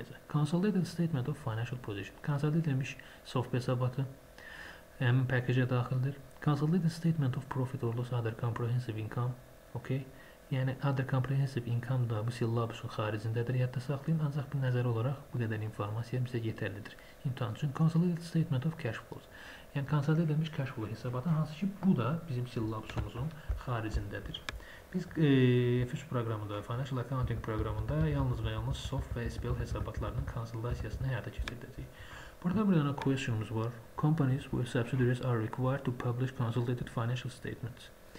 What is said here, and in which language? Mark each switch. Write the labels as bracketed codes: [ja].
[en] Consolidated statement of financial position. [az] Consolidated edilmiş sof hesabatı həmin pakəcə daxildir. [en] Consolidated statement of profit or loss other comprehensive income. [az] Okay. Yəni, other comprehensive income da bu syllabusun xaricindədir. Yadda saxlayın, ancaq bir nəzər olaraq bu qədər informasiya bizə yetərlidir. İmtihan üçün consolidated statement of cash flows. Yəni, consolidated edilmiş cash flow hesabatı, hansı ki bu da bizim syllabusumuzun xaricindədir. Biz FÜS proqramında, financial accounting proqramında yalnız və yalnız SOF və SPL hesabatlarının konsolidasiyasını həyata keçirdəcəyik. Burada bir dənə questionumuz var. [en] Companies with subsidiaries are required to publish consolidated financial statements.